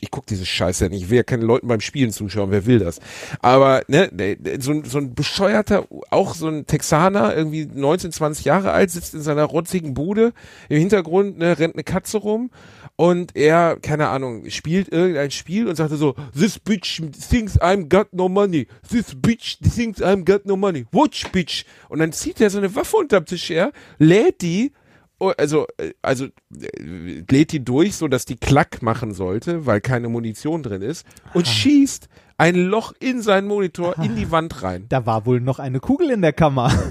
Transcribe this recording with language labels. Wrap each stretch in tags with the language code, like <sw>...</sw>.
<de>Ich gucke diese Scheiße nicht. Ich will ja keine Leuten beim Spielen zuschauen. Wer will das? Aber ne, so ein bescheuerter, auch so ein Texaner, irgendwie 19, 20 Jahre alt, sitzt in seiner rotzigen Bude. Im Hintergrund ne, rennt eine Katze rum. Und er, keine Ahnung, spielt irgendein Spiel und sagt so,</de> <en>this bitch thinks I'm got no money. This bitch thinks I'm got no money. Watch, bitch.</en> <de>Und dann zieht er so eine Waffe unterm Tisch her, lädt die, also lädt die durch, so dass die Klack machen sollte, weil keine Munition drin ist, und schießt ein Loch in seinen Monitor in die Wand rein. Da war wohl noch eine Kugel in der Kammer.</de>